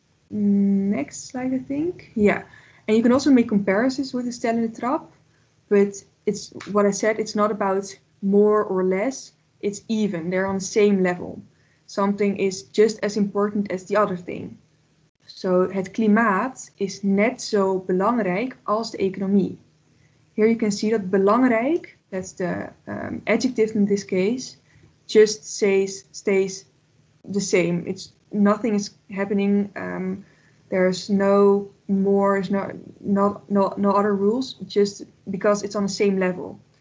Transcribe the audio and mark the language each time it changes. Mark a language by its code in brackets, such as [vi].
[en] Next slide, I think. Yeah. And you can also make comparisons with the stijl en de trap. But it's what I said, it's not about more or less. It's even. They're on the same level. Something is just as important as the other thing. [nl] So het klimaat is net zo belangrijk als de economie. [en] Here you can see that belangrijk, that's the adjective in this case, just stays the same. It's nothing is happening. There's no more, no other rules, just because it's on the same level.